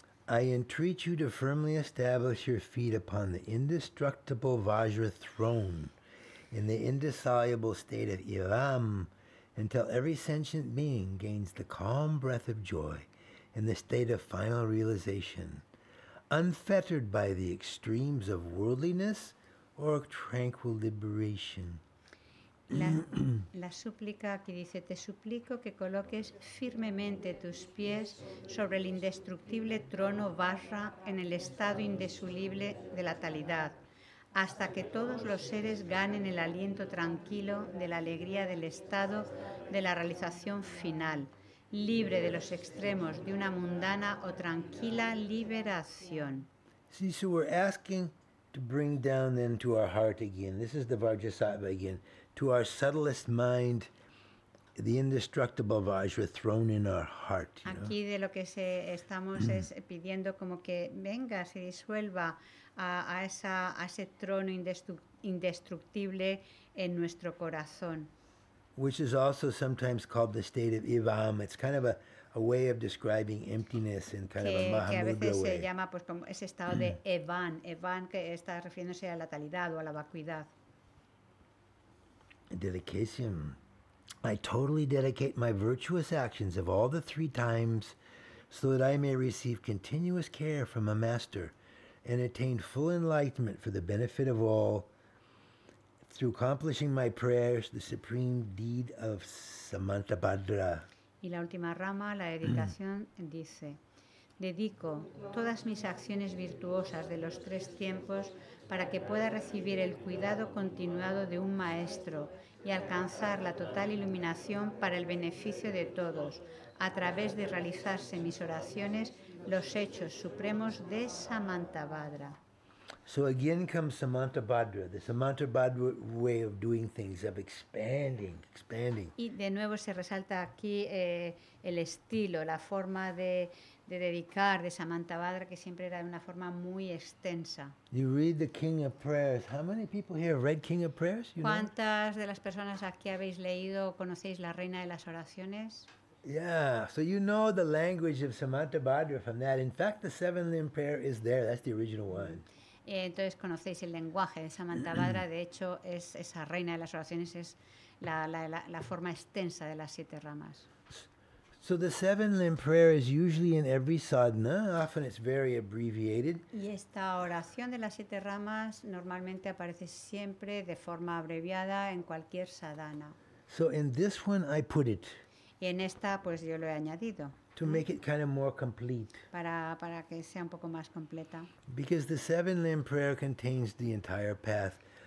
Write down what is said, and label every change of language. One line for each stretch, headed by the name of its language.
English: I entreat you to firmly establish your feet upon the indestructible Vajra throne in the indissoluble state of Ilam until every sentient being gains the calm breath of joy in the state of final realization, unfettered by the extremes of worldliness or tranquil liberation.
Spanish: La súplica aquí dice, te suplico que coloques firmemente tus pies sobre el indestructible trono Vajra en el estado indisoluble de la talidad, hasta que todos los seres ganen el aliento tranquilo de la alegría del estado de la realización final, libre de los extremos de una mundana o tranquila liberación.
English: Sí, so we're asking to bring down then to our heart again, this is the Vajrasattva again, to our subtlest mind, the indestructible Vajra thrown in our heart. You
Spanish: aquí
English: know?
Spanish: De lo que estamos es pidiendo como que venga, se disuelva a ese trono indestructible en nuestro corazón.
English: Which is also sometimes called the state of Ivam. It's kind of a way of describing emptiness in kind
Spanish: que,
English: of a Mahamudra way.
Spanish: Que a veces
English: way.
Spanish: Se llama pues como ese estado de Evan. Evan, que está refiriéndose a la talidad o a la vacuidad.
English: Dedication. I totally dedicate my virtuous actions of all the three times so that I may receive continuous care from a master and attain full enlightenment for the benefit of all through accomplishing my prayers, the supreme deed of Samantabhadra.
Spanish: Y la última rama, la dedicación, dice, dedico todas mis acciones virtuosas de los tres tiempos para que pueda recibir el cuidado continuado de un maestro y alcanzar la total iluminación para el beneficio de todos, a través de realizarse mis oraciones, los hechos supremos de Samantabhadra.
English: So again comes Samantabhadra, the Samantabhadra way of doing things, of expanding.
Spanish: Y de nuevo se resalta aquí el estilo, la forma de dedicar de Samantabhadra, que siempre era de una forma muy extensa.
English: You read the King of Prayers. How many people here have read King of Prayers? You
Spanish: ¿Cuántas know? De las personas aquí habéis leído o conocéis la Reina de las Oraciones?
English: Yeah, so you know the language of Samantabhadra from that. In fact, the seven limb prayer is there. That's the original one.
Spanish: Entonces conocéis el lenguaje de Samantha Bhadra. De hecho, es esa reina de las oraciones, es la forma extensa de las siete ramas.
English: So the seven limb prayer is usually in every sadhana. Often it's very abbreviated.
Spanish: Y esta oración de las siete ramas normalmente aparece siempre de forma abreviada en cualquier sadhana.
English: So in this one I put it.
Spanish: Y en esta pues yo lo he añadido.
English: To make it kind of more complete.
Spanish: Para que sea un poco más completa.
English: Because the seven limb prayer contains the entire path.